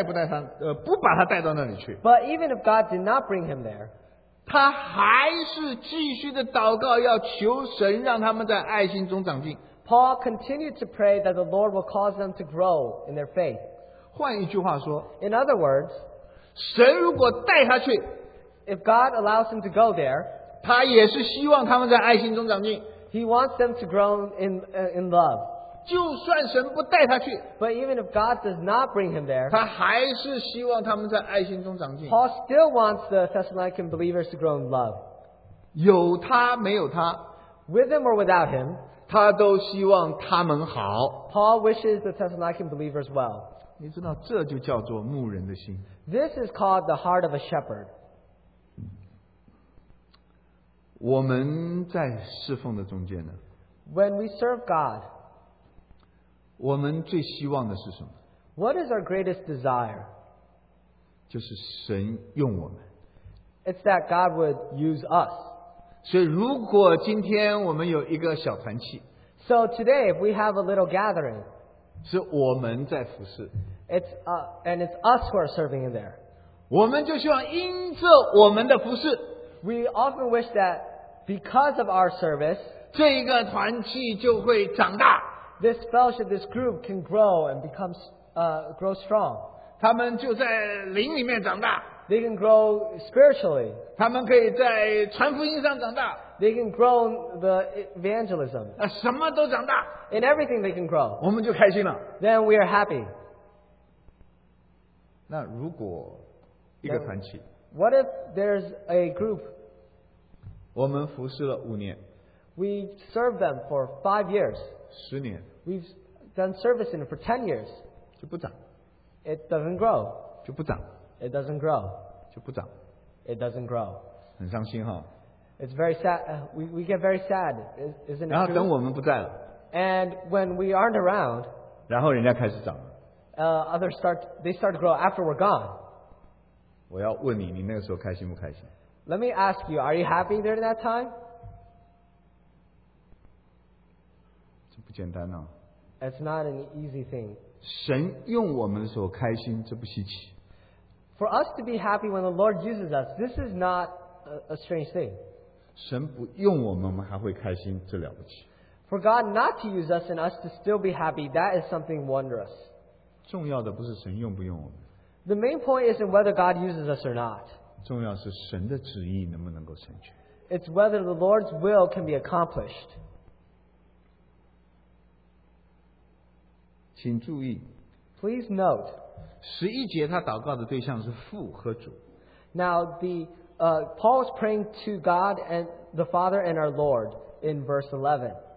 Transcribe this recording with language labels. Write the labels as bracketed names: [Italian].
[Chinese] 但是就算神不带他那里去, [English] but even if God did not bring him there, [Chinese] 他还是继续的祷告，要求神让他们在爱心中长进。 [English] Paul continued to pray that the Lord will cause them to grow in their faith. [Chinese] 换一句话说, [English] in other words, [Chinese] 神如果带他去, [English] if God allows him to go there, [Chinese] 他也是希望他们在爱心中长进。 [English] He wants them to grow in love. [Chinese] 就算神不带他去, [English] but even if God does not bring him there, [Chinese] 他还是希望他们在爱心中长进。 [English] Paul still wants the Thessalonican believers to grow in love. [Chinese] 有他没有他, [English] with him or without him, [Chinese] 他都希望他们好。 [English] Paul wishes the Thessalonican believers well. [Chinese] 你知道这就叫做牧人的心。 [English] This is called the heart of a shepherd. [Chinese] 我们在侍奉的中间呢, [English] when we serve God, [Chinese] 我们最希望的是什么? [English] What is our greatest desire? [Chinese] 就是神用我们。 [English] It's that God would use us. [Chinese] 所以如果今天我们有一个小团契, [English] so today, if we have a little gathering, [Chinese] 是我们在服侍, [English] it's us who are serving in there. [Chinese] 我们就希望因着我们的服侍, [English] we often wish that because of our service, [Chinese] 这一个团契就会长大, [English] this fellowship, this group can grow and become grow strong. [Chinese] 他们就在灵里面长大, [English] they can grow spiritually. [Chinese] 他们可以在传福音上长大, [English] they can grow the evangelism. [Chinese] 什么都长大, [English] in everything they can grow. [Chinese] 我们就开心了, [English] then we are happy. [Chinese] 那如果一个团契, [English] what if there's a group? [Chinese] 我们服侍了五年, [English] we've served them for 5 years. [Chinese] 十年, [English] we've done service in it for 10 years. [Chinese] 就不长, [English] it doesn't grow. [Chinese] 就不长, [English] it doesn't grow. [Chinese] 就不长, [English] it doesn't grow. [Chinese] 很伤心哈, [English] it's very sad. We get very sad, isn't it? [Chinese] 然后等我们不在了, [English] and when we aren't around, [Chinese] 然后人家开始长, [English] others start to grow after we're gone. [Chinese] 我要问你, 你那个时候开心不开心? [English] Let me ask you, are you happy there at that time? [Chinese] 这不简单啊, [English] it's not an easy thing. [Chinese] 神用我们的时候开心, 这不稀奇, [English] for us to be happy when the Lord uses us, this is not a strange thing. [Chinese] 神不用我们还会开心, 这了不起, [English] for God not to use us and us to still be happy, that is something wondrous. [Chinese] 重要的不是神用不用我们, [English] the main point isn't whether God uses us or not. [Chinese] 重要是神的旨意能不能够成全, [English] it's whether the Lord's will can be accomplished. [Chinese] 请注意, [English] please note, [Chinese] 十一节他祷告的对象是父和主, [English] now the Paul is praying to God and the Father and our Lord in verse 11.